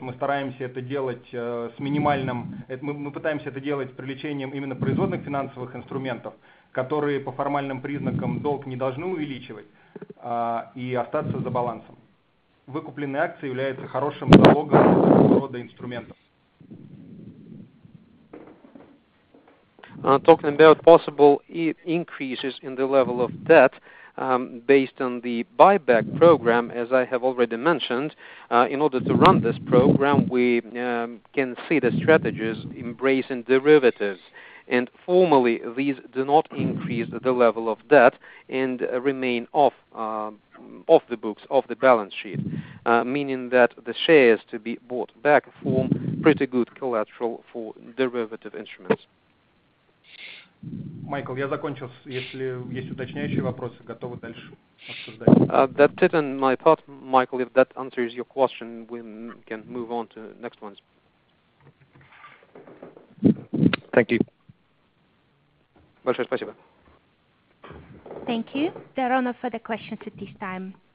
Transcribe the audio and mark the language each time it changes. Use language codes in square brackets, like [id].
[ru] Мы стараемся это делать с привлечением именно производных финансовых инструментов, которые по формальным признакам долг не должны увеличивать и остаться за балансом. Выкупленные акции являются хорошим залогом такого рода инструментов. [en] Talking about possible increases in the level of debt based on the buyback program, as I have already mentioned, in order to run this program, we can see the strategies embracing derivatives. And formally, these do not increase the level of debt and remain off the books, off the balance sheet, meaning that the shares to be bought back form pretty good collateral for derivative instruments. [ru] Майкл, я закончил. Если есть уточняющие вопросы, готовы дальше обсуждать. [en] That's it on my part, Michael. If that answers your question, we can move on to next ones. Thank you. [ru] Большое спасибо. [en] Thank you. There are no further questions at this time.